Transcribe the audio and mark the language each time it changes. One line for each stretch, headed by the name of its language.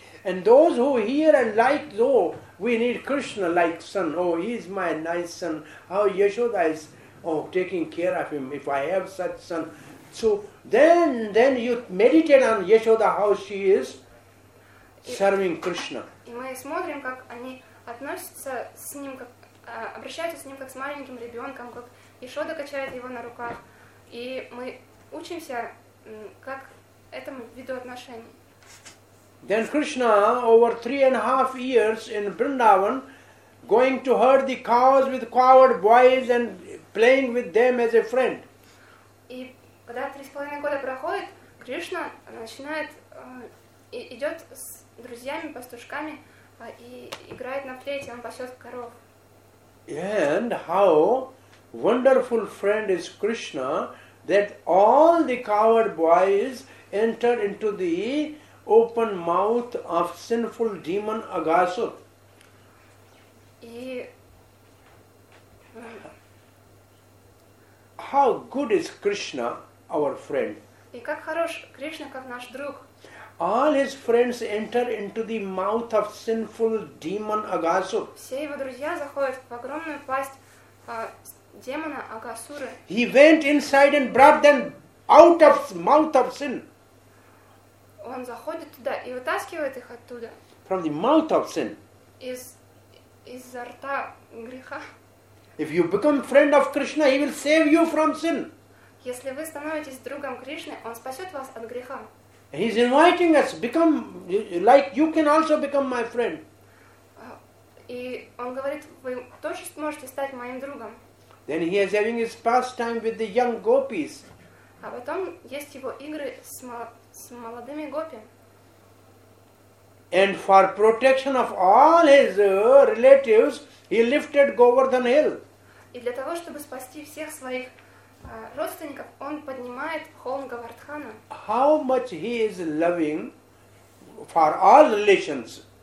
English: And those who hear and like, though, we need Krishna like son. Oh, he is my nice son. How Yashoda is taking care of him if I have such son. So then you meditate on Yashoda, how she is serving Krishna.
Russian: И мы смотрим, как они относятся с ним, как обращаются с ним, как с маленьким ребенком, как Yashoda качает его на руках. И мы учимся, как этому виду отношений.
English: Then Krishna, over 3.5 years in Vrindavan, going to herd the cows with cowherd boys and playing with them as a friend.
Russian: И когда 3.5 года проходит, Кришна начинает идет с друзьями, пастушками и играет на флейте, он пасет коров.
English: And how wonderful friend is Krishna that all the cowherd boys enter into the open mouth of sinful demon Agasur. How good is Krishna, our friend?
Russian: И как хорош Кришна, как наш друг.
English: All his friends enter into the mouth of sinful demon Agasur.
Russian: Все его друзья заходят в огромную пасть демона Агасуры.
English: He went inside and brought them out of mouth of sin.
Russian: Он заходит туда и вытаскивает их оттуда.
English: From the mouth of sin.
Russian: Изо рта греха.
English: If you become friend of Krishna, he will save you from sin.
Russian: Если вы становитесь другом Кришны, он спасет вас от греха.
English: He is inviting us, become like you can also become my friend.
Russian: И он говорит, вы тоже сможете стать моим другом.
English: Then he is having his pastime with the young gopis.
Russian: А потом есть его игры с молодыми гопи.
English: And for protection of all his relatives, he lifted Govardhan Hill.
Russian: И для того, чтобы спасти всех своих родственников, он поднимает холм Говардхана.
English: How much he is loving for all relations.